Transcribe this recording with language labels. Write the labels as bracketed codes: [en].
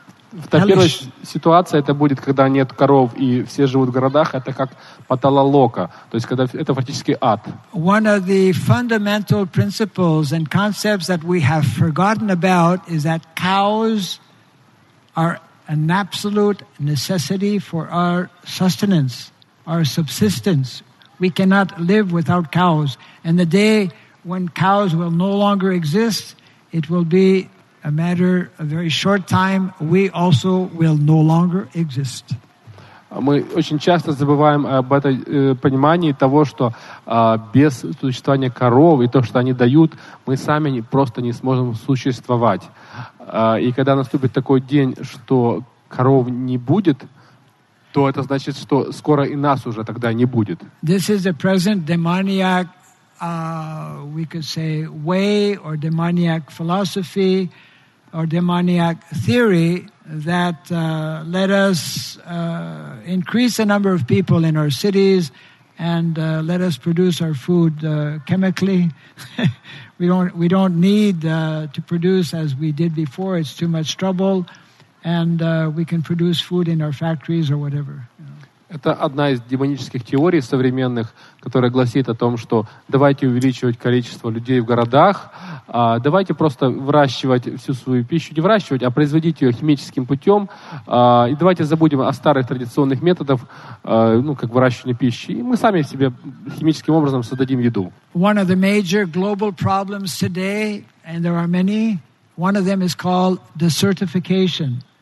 [ru] Во-первых, ситуация это будет, когда нет коров и все живут в городах, это как паталалока, то есть когда это фактически ад. [en] One of the fundamental principles and concepts that we have forgotten about is that cows are an absolute necessity for our sustenance, our subsistence. We cannot live without cows. And the day when cows will no longer exist, it will be a matter a very short time, we also will no longer exist. [ru] Мы очень часто забываем об этом понимании того, что без существования коров и то, что они дают, мы сами просто не сможем существовать. И когда наступит такой день, что коров не будет, то это значит, что скоро и нас уже тогда не будет. [en] This is the present demoniac, we could say, way or demoniac philosophy, or demoniac theory that let us increase the number of people in our cities and let us produce our food chemically. we don't need to produce as we did before. It's too much trouble, and we can produce food in our factories or whatever. [ru] Это одна из демонических теорий современных, которая гласит о том, что давайте увеличивать количество людей в городах, давайте просто выращивать всю свою пищу, не выращивать, а производить ее химическим путем, и давайте забудем о старых традиционных методах, ну, как выращивания пищи, и мы сами себе химическим образом создадим еду. [en] One of the major global problems today, and there are many, one of them is called desertification.